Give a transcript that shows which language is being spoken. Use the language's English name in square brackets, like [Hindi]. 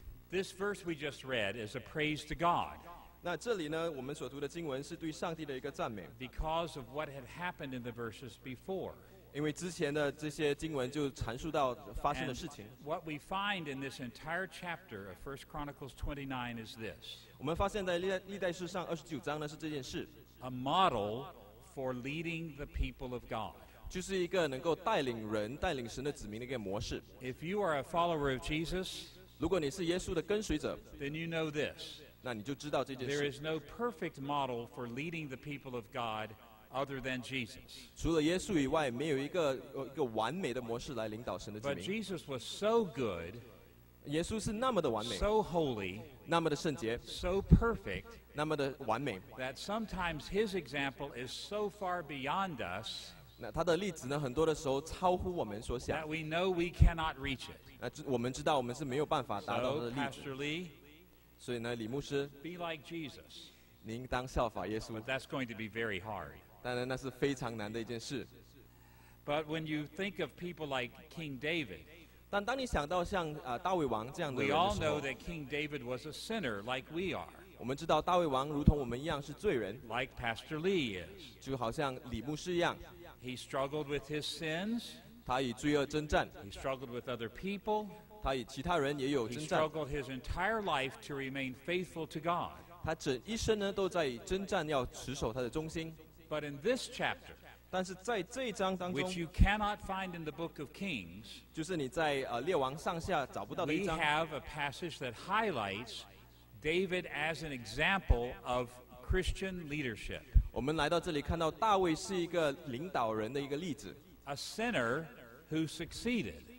[English] This verse we just read is a praise to God. [Chinese] 那这里呢，我们所读的经文是对上帝的一个赞美。 [English] Because of what had happened in the verses before. [Chinese] 因为之前的这些经文就阐述到发生的事情。 [English] What we find in this entire chapter of 1 Chronicles 29 is this. [Chinese] 我们发现在历代志上29章呢是这件事。 [English] A model for leading the people of God. [Chinese] 就是一个能够带领人、带领神的子民的一个模式。 [English] If you are a follower of Jesus, [Chinese] 如果你是耶稣的跟随者, [English] then you know this. There is no perfect model for leading the people of God other than Jesus. [Chinese] 除了耶稣以外，没有一个完美的模式来领导神的子民。 [English] But Jesus was so good, [Chinese] 耶稣是那么的完美, [English] so holy, [Chinese] 那么的圣洁, [English] so perfect, [Chinese] 那么的完美, [English] that sometimes his example is so far beyond us, [Chinese] 那他的例子呢，很多的时候超乎我们所想, [English] that we know we cannot reach it. [Chinese] 我们知道我们是没有办法达到的例子。 [English] So, Pastor Lee, [Chinese] 所以呢，李牧师, [English] be like Jesus. [Chinese] 您当效法耶稣。 [English] But that's going to be very hard. [Chinese] 当然那是非常难的一件事。 [English] But when you think of people like King David, [Chinese] 但当你想到像, 大卫王这样的人的时候, [English] we all know that King David was a sinner like we are. [Chinese] 我们知道大卫王如同我们一样是罪人, [English] like Pastor Lee is. [Chinese] 就好像李牧师一样, [English] he struggled with his sins. [Chinese] 他与罪恶征战, [English] he struggled with other people. [Chinese] 他与其他人也有征战, [English] he struggled his entire life to remain faithful to God. [Chinese] 他整一生呢都在征战要持守他的忠心。 [English] But in this chapter, [Chinese] 但是在这一章当中, [English] which you cannot find in the book of Kings, [Chinese] 就是你在, 列王上下找不到的一章, [English] we have a passage that highlights David as an example of Christian leadership. A sinner who succeeded.